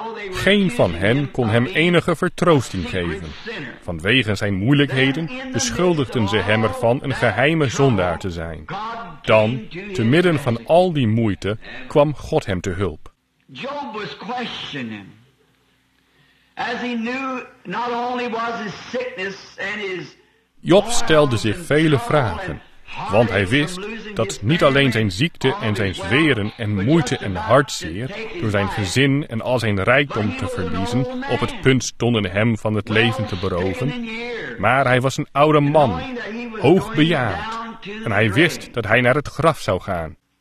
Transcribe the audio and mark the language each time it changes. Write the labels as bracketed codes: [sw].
[nl] Geen van hen kon hem enige vertroosting geven. Vanwege zijn moeilijkheden beschuldigden ze hem ervan een geheime zondaar te zijn. Dan, te midden van al die moeite, kwam God hem te hulp. [en] Job was questioning. As he knew, not only was his sickness and his... [nl] Job stelde zich vele vragen, want hij wist dat niet alleen zijn ziekte en zijn zweren en moeite en hartzeer door zijn gezin en al zijn rijkdom te verliezen op het punt stonden hem van het leven te beroven, maar hij was een oude man, hoogbejaard, en hij wist dat hij naar het graf zou gaan.